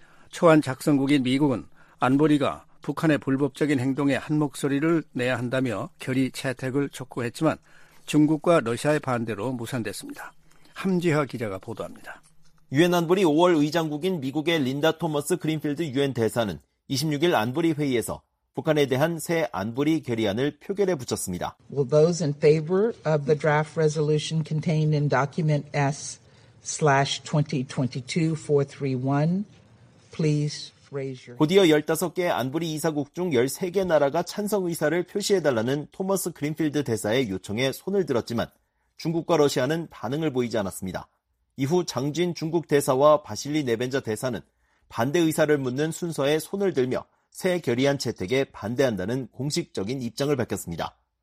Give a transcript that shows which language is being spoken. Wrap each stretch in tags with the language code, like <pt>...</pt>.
<ko>초안 작성국인 미국은 안보리가 북한의 불법적인 행동에 한 목소리를 내야 한다며 결의 채택을 촉구했지만 중국과 러시아의 반대로 무산됐습니다. 함지하 기자가 보도합니다. 유엔 안보리 5월 의장국인 미국의 린다 토머스 그린필드 유엔 대사는 26일 안보리 회의에서 북한에 대한 새 안보리 결의안을 표결에 붙였습니다.</ko> <en>Will those in favor of the draft resolution contained in document S/2022-431 please raise your</en> <ko>곧이어 15개 안보리 이사국 중 13개 나라가 찬성 의사를 표시해 달라는 토머스 그린필드 대사의 요청에 손을 들었지만 중국과 러시아는 반응을 보이지 않았습니다. 이후 장진 중국 대사와 바실리 네벤자 대사는 반대 의사를 묻는 순서에 손을 들며 새 결의안 채택에 반대한다는 공식적인 입장을 밝혔습니다.</ko>